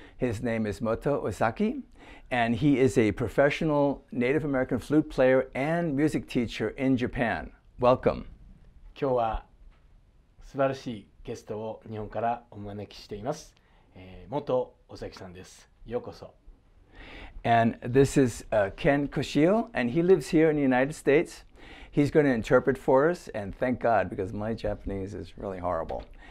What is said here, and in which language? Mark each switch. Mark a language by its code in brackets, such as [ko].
[en] His name is Moto Ozaki, and he is a professional Native American flute player and music teacher in Japan. Welcome. [ja] 今日は素晴らしいゲストを日本からお招きしています。 Moto Ozaki さんです。ようこそ。 [en] And this is Ken Koshio, and he lives here in the United States. He's going to interpret for us, and thank God, because my Japanese is really horrible.